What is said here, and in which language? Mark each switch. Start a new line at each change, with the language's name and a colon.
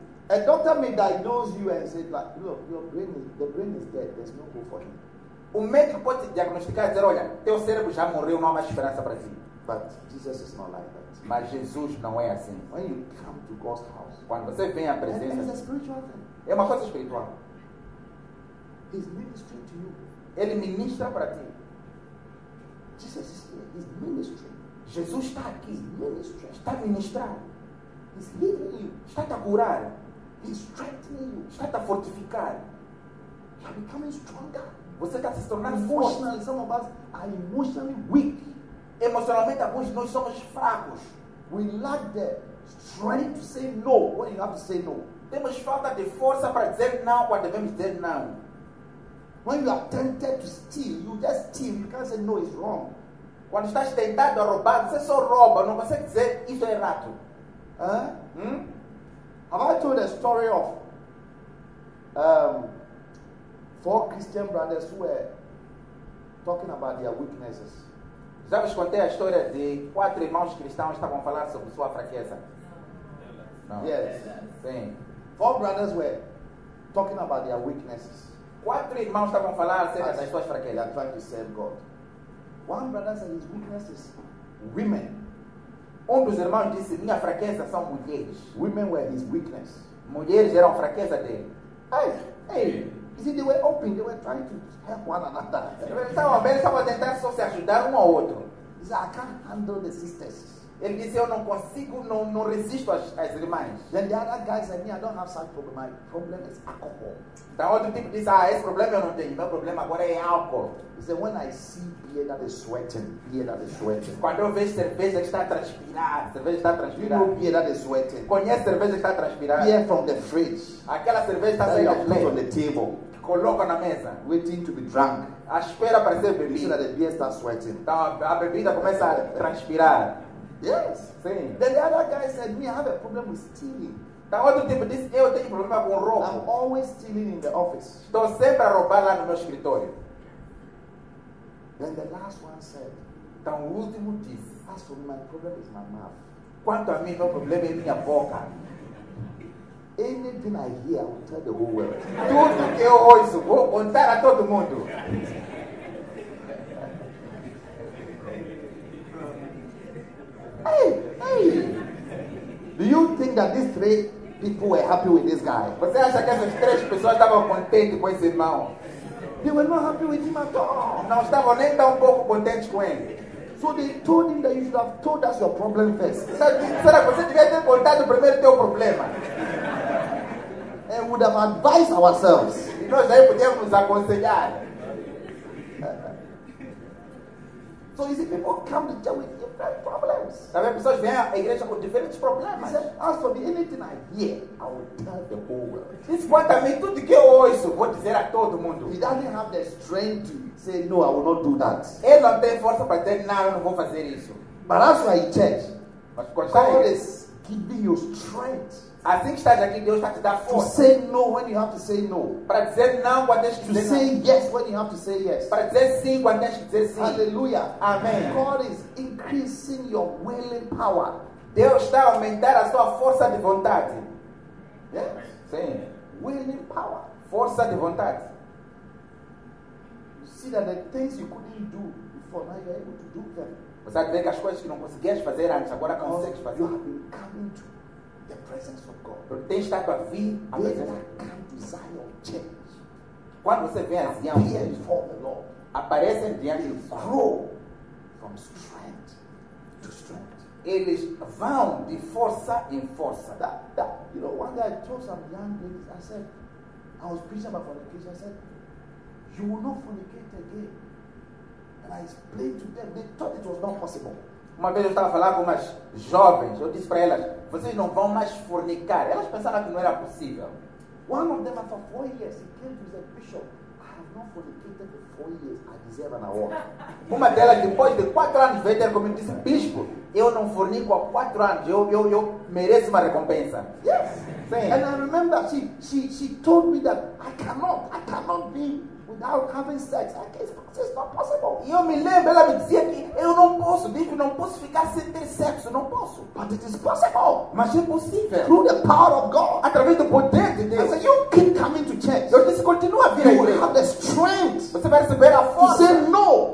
English: A doctor may diagnose you and say like, look, the brain is dead, there's no hope for you.
Portuguese: O médico pode te diagnosticar e dizer, olha, teu cérebro já morreu, não há mais esperança para ti.
English: But Jesus is not like that.
Portuguese: Mas Jesus não é assim.
English: When you come to God's house,
Portuguese: quando você vem à presença,
English: it's a spiritual thing.
Portuguese: É uma coisa espiritual.
English: He's ministering to you.
Portuguese: Ele ministra para ti.
English: Jesus is ministering.
Portuguese: Jesus está aqui.
English: He's ministering.
Portuguese: Está a ministrar.
English: He's healing you.
Portuguese: Está a curar.
English: He's strengthening you.
Portuguese: Está a fortificar.
English: You're becoming stronger.
Portuguese: Você está se tornando
English: emocionalmente. Some of us are emotionally weak.
Portuguese: Emocionalmente, alguns de nós somos fracos.
English: We lack the strength to say no when you have to say no.
Portuguese: Temos falta de força para dizer não quando devemos dizer não.
English: When you are tempted to steal, you just steal. You can't say no, it's wrong.
Portuguese: Quando estás tentado a roubar, você só rouba. Não consegue dizer isso é errado.
English: Have I told a story of four Christian brothers who were talking about their weaknesses?
Portuguese: Já vos contei a história de quatro irmãos cristãos que estavam falando sobre sua fraqueza? Não. Yes. Sim.
English: Four brothers were talking about their weaknesses.
Portuguese: Quatro irmãos estavam falando acerca das suas fraquezas.
English: They are trying to serve God. One brother said his weakness is women.
Portuguese: Um dos irmãos disse, minha fraqueza são mulheres.
English: Women were his weakness.
Portuguese: Mulheres eram a fraqueza dele.
English: Hey. You see, they were open, they were trying to help one another.
Portuguese: Eles estavam abertos, estavam tentando só se ajudar um ao outro.
English: He said, I can't handle the sisters.
Portuguese: Ele disse, eu não consigo, não resisto às irmãs.
English: Then the other guy said, me, I don't have such problem. My problem is alcohol.
Portuguese: Então outro tipo disse, ah, esse problema eu não tenho. Meu problema agora é álcool.
English: He said, when I see beer that is sweating.
Portuguese: Quando eu vejo cerveja que está transpirando.
English: You know beer that is sweating.
Portuguese: Conhece cerveja que está transpirando.
English: Beer from the fridge.
Portuguese: Aquela cerveja está saindo de
English: leite. On the table.
Portuguese: Coloca na mesa.
English: Waiting to be drunk.
Portuguese: À espera para ser bebido.
English: He said that the beer starts sweating.
Portuguese: Então a bebida começa a transpirar.
English: Yes.
Portuguese: Sim.
English: Then the other guy said, me, I have a problem with stealing.
Portuguese: Da outro tempo disse, eu tenho problema com roubo.
English: I'm always stealing in the office.
Portuguese: Estou sempre a roubar lá no meu escritório.
English: Then the last one said,
Portuguese: então o último disse,
English: as for me, my problem is my mouth.
Portuguese: Quanto a mim, meu problema é minha boca.
English: Anything I hear, I will tell the whole world.
Portuguese: Tudo que eu ouço, vou contar a todo mundo.
English: Do you think that these three people were happy with this guy?
Portuguese: Você acha que essas três pessoas estavam contentes com esse irmão?
English: They were not happy with him at all.
Portuguese: Não estavam nem tão pouco contentes com ele.
English: So they told him that you should have told us your problem first.
Portuguese: Será que você devia ter contado primeiro teu problema?
English: And would have advised ourselves.
Portuguese: E nós aí podíamos nos aconselhar.
English: So you see, people come to church with different problems.
Portuguese: Também pessoas vêm à igreja com diferentes problemas.
English: He said, as for me, anything I hear, I will tell the whole world.
Portuguese: Isso quanto a mim, tudo que eu ouço, vou dizer a todo mundo.
English: He doesn't have the strength to say no, I will not do that.
Portuguese: Ele não tem força para dizer não, eu não vou fazer isso.
English: But as for a church,
Portuguese: mas quando
English: God is giving you strength. I think
Portuguese: está aqui, Deus está te dar força.
English: To say no when you have to say no.
Portuguese: Para dizer não quando tens que dizer
English: não. To say yes when you have to say yes.
Portuguese: Para dizer sim quando tens que dizer sim.
English: Hallelujah. Amen. God is increasing your willing power.
Portuguese: Deus está aumentando a sua força de vontade.
English: Yeah?
Portuguese: Sim.
English: Willing power.
Portuguese: Força de vontade.
English: You see that the things you couldn't do before, now you are able to do them.
Portuguese: Você vê que as coisas que não conseguias fazer antes, agora consegues fazer.
English: You have been coming to the presence of God.
Portuguese: Porque tem estado a vir a
English: presença. Come to Zion, change.
Portuguese: Quando você vem a Zion,
English: appear before the Lord.
Portuguese: Aparece diante de Deus.
English: Grow from strength to strength.
Portuguese: Eles vão de força em força.
English: That, you know, one day I told some young ladies, I said, I was preaching about fornication. I said, you will not fornicate again. And I explained to them, they thought it was not possible.
Portuguese: Uma vez eu estava falando com umas jovens, eu disse para elas, vocês não vão mais fornicar. Elas pensaram que não era possível.
English: One of them after 4 years, he came to the bishop, I have not fornicated for 4 years, I deserve an award.
Portuguese: Uma delas depois de 4 anos veio ter comigo e disse, bispo, eu não fornico há 4 anos, eu mereço uma recompensa.
English: Yes.
Portuguese: Sim.
English: And I remember she told me that I cannot be without having sex. It's not possible.
Portuguese: E eu me lembro, ela me dizia que eu não posso, bicho, não posso ficar sem ter sexo, não posso.
English: But it is possible.
Portuguese: Mas é possível.
English: Through the power of God.
Portuguese: Através do poder de Deus.
English: I said, you keep coming to church.
Portuguese: Eu disse, continua a vir
English: aí. You will have the strength.
Portuguese: Você vai receber a força.
English: To say no.